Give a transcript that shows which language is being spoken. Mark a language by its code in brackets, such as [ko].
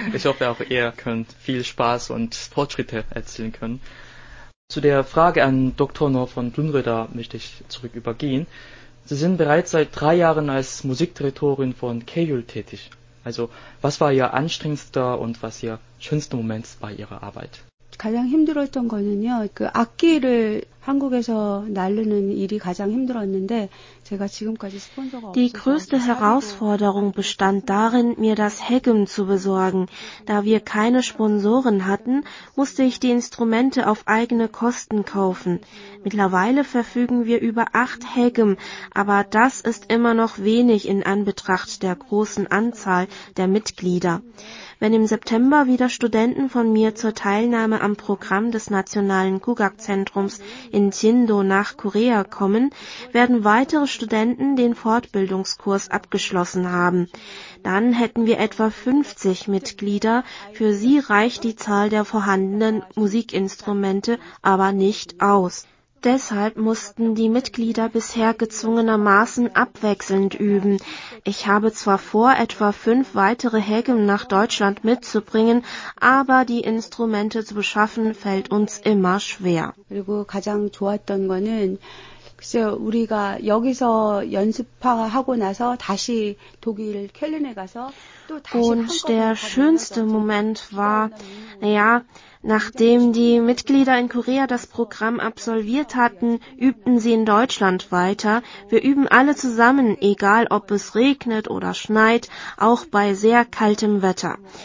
[de] Ich hoffe auch, ihr könnt viel Spaß und Fortschritte erzielen können. Zu der Frage an Dr. Noh von Dünröder möchte ich zurück übergehen. Sie sind bereits seit 3 Jahren als Musikdirektorin von KJUL tätig. Also, was war Ihr anstrengendster und was Ihr schönster Moment bei Ihrer Arbeit? [ko] 가장 힘들었던 거는요. 그 악기를 한국에서 날르는 일이 가장 힘들었는데 제가 지금까지 스폰서가 없어서 [de] Die größte Herausforderung bestand darin, mir das Hegem zu besorgen. Da wir keine Sponsoren hatten, musste ich die Instrumente auf eigene Kosten kaufen. Mittlerweile verfügen wir über 8 Hegem, aber das ist immer noch wenig in Anbetracht der großen Anzahl der Mitglieder. Wenn im September wieder Studenten von mir zur Teilnahme am Programm des Nationalen Gugak-Zentrums in Jindo nach Korea kommen, werden weitere Studenten den Fortbildungskurs abgeschlossen haben. Dann hätten wir etwa 50 Mitglieder. Für sie reicht die Zahl der vorhandenen Musikinstrumente aber nicht aus. Deshalb mussten die Mitglieder bisher gezwungenermaßen abwechselnd üben. Ich habe zwar vor, etwa 5 weitere Hegem nach Deutschland mitzubringen, aber die Instrumente zu beschaffen fällt uns immer schwer. [ko] 그리고 가장 좋았던 거는 글쎄요, 우리가 여기서 연습하고 나서 다시 독일 켈른에 가서 또 다시 [de] Und der schönste Moment war, naja, nachdem die Mitglieder in Korea das Programm absolviert hatten, übten sie in Deutschland weiter. Wir üben alle zusammen, egal ob es regnet oder schneit, auch bei sehr kaltem Wetter.